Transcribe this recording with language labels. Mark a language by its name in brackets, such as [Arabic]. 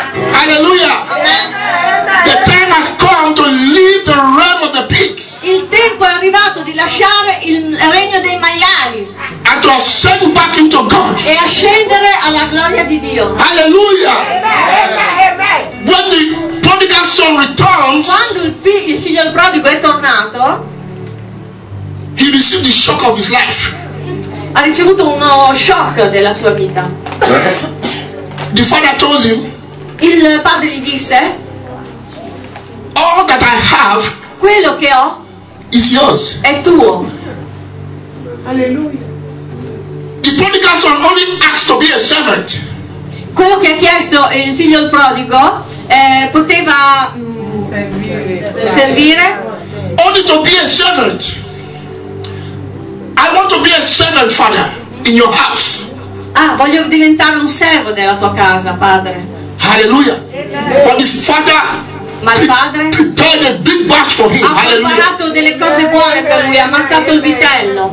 [English] Hallelujah. The time has come to leave the realm of the pigs. [Italian] Il tempo è arrivato di lasciare il regno dei maiali. [English] And to ascend back into God. [Italian] E ascendere alla gloria di Dio. [English] Hallelujah. Amen. When the prodigal son returns. [Italian] Quando il figlio prodigo è tornato. [English] He received the shock of his life. [Italian] Ha ricevuto uno shock della sua vita. [English] The father told him. [Italian] Il padre gli disse. [English] All that I have. [Italian] Quello che ho. [English] Is yours. [Italian] È tuo. Alleluia. [English] The prodigal son only asked to be a servant. [Italian] Quello che ha chiesto il figlio il prodigo poteva servire. [English] Only to be a servant. I want to be a servant, Father, in your house. [Italian] Ah, voglio diventare un servo della tua casa, padre. [English] Hallelujah. But the father. [Italian] Ma il padre [English] prepared a big batch for him. [Italian] Ha preparato delle cose buone per lui, ha ammazzato il vitello.